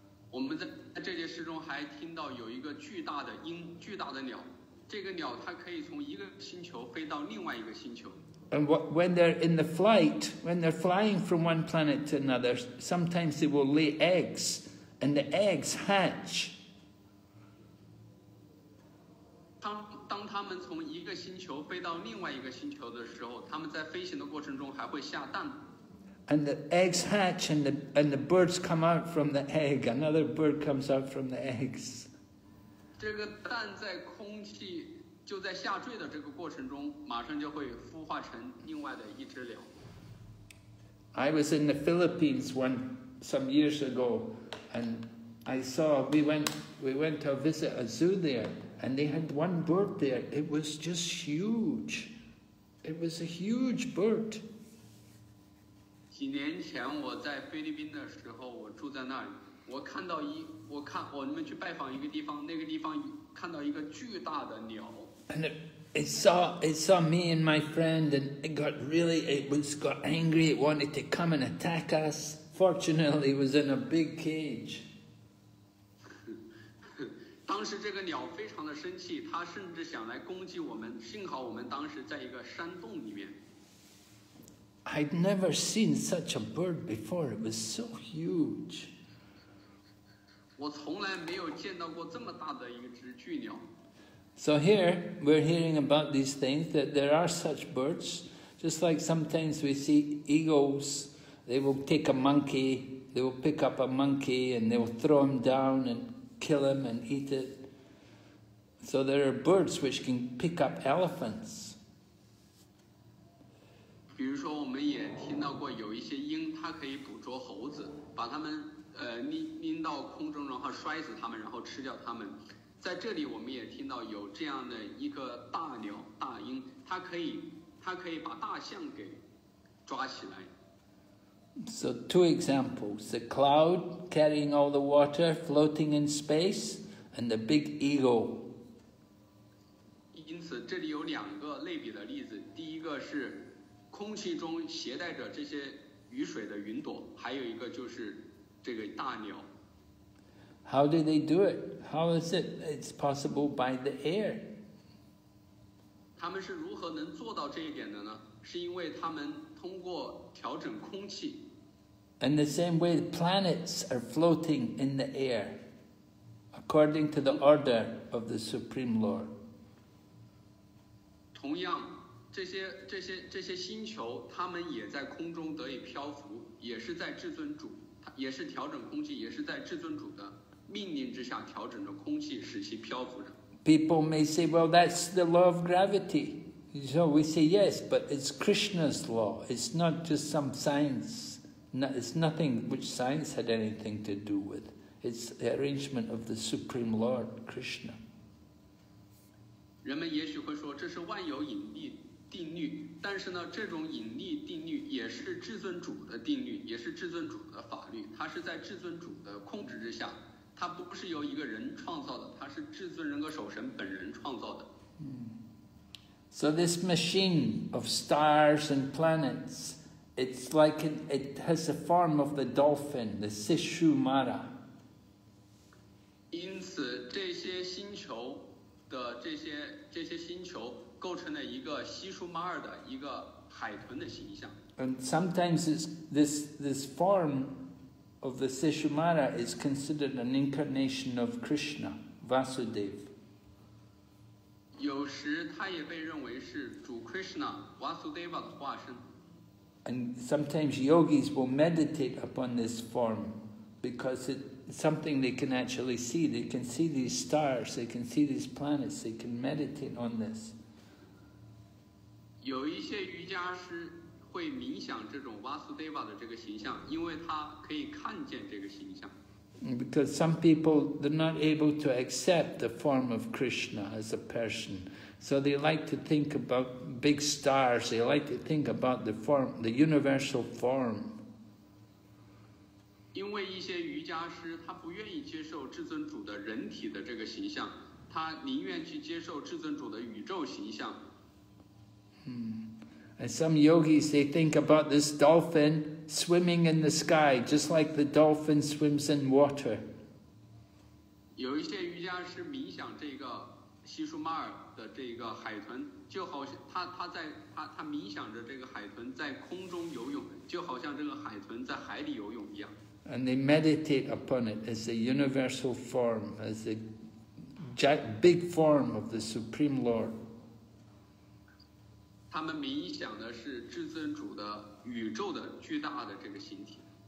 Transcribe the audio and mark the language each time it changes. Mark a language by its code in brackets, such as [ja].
[zh] 我们在这些诗中还听到有一个巨大的鹰，巨大的鸟。这个鸟它可以从一个星球飞到另外一个星球。 [en] And when they're in the flight, when they're flying from one planet to another, sometimes they will lay eggs, and the eggs hatch. [zh] 当他们从一个星球飞到另外一个星球的时候，他们在飞行的过程中还会下蛋。 [en] And the eggs hatch, and the birds come out from the egg. Another bird comes out from the eggs. [zh] 这个蛋在空气就在下坠的这个过程中，马上就会孵化成另外的一只鸟。 [en] I was in the Philippines some years ago, and I saw we went to visit a zoo there. And they had one bird there. It was just huge. It was a huge bird. [zh] 几年前我在菲律宾的时候，我住在那里，我看到一，我看我们去拜访一个地方，那个地方看到一个巨大的鸟。 [en] And it saw me and my friend, and it got angry. It wanted to come and attack us. Fortunately, it was in a big cage. [zh] 当时这个鸟非常的生气，它甚至想来攻击我们。幸好我们当时在一个山洞里面。 [en] I'd never seen such a bird before. It was so huge. [zh] 我从来没有见到过这么大的一只巨鸟。 [en] So here we're hearing about these things that there are such birds. Just like sometimes we see eagles, they will take a monkey, they will pick up a monkey and they will throw him down and. Kill him and eat it. So there are birds which can pick up elephants. [zh] 比如说我们也听到过有一些鹰它可以捕捉猴子，把它们拎到空中，然后摔死它们，然后吃掉它们。在这里我们也听到有这样的一个大鸟大鹰，它可以把大象给抓起来。 [en] So two examples, the cloud carrying all the water floating in space and the big eagle. [zh] 因此这里有两个类比的例子，第一个是空气中携带着这些雨水的云朵，还有一个就是这个大鸟。 [en] How do they do it? How is it? It's possible by the air. [zh] 他们是如何能做到这一点的呢？是因为他们通过调整空气。 [en] In the same way, the planets are floating in the air, according to the order of the Supreme Lord. [zh] 同样，这些星球，它们也在空中得以漂浮，也是在至尊主，也是调整空气，也是在至尊主的命令之下调整着空气，使其漂浮着。 [en] People may say, "Well, that's the law of gravity." So we say yes, but it's Krishna's law. It's not just some science. It's nothing which science had anything to do with. It's the arrangement of the Supreme Lord Krishna. [zh] 人们也许会说这是万有引力定律，但是呢，这种引力定律也是至尊主的定律，也是至尊主的法律。它是在至尊主的控制之下，它不是由一个人创造的，它是至尊人格守神本人创造的。 [en] So this machine of stars and planets, it's like it has the form of the dolphin, the Sishumara. [zh] 因此，这些星球的这些星球构成了一个西舒马尔的一个海豚的形象。 [en] And sometimes this form of the Sishumara is considered an incarnation of Krishna, Vasudev. [zh] 有时他也被认为是主 Krishna Vasudeva 的化身。 [en] And sometimes yogis will meditate upon this form because it's something they can actually see. They can see these stars, they can see these planets, they can meditate on this. [zh] 有一些瑜伽师会冥想这种 Vasudeva 的这个形象，因为他可以看见这个形象。 [en] Because some people, they're not able to accept the form of Krishna as a person. So they like to think about big stars, they like to think about the form, the universal form. [zh] 因为一些瑜伽师他不愿意接受至尊主的人体的这个形象，他宁愿去接受至尊主的宇宙形象。 [en] And some yogis, they think about this dolphin swimming in the sky, just like the dolphin swims in water. [zh] 有一些瑜伽师冥想这个西舒马尔的这个海豚，就好像他冥想着这个海豚在空中游泳，就好像这个海豚在海里游泳一样。 [en] And they meditate upon it as a universal form, as a big form of the Supreme Lord. [zh] 他们冥想的是至尊主的宇宙的巨大的这个形体。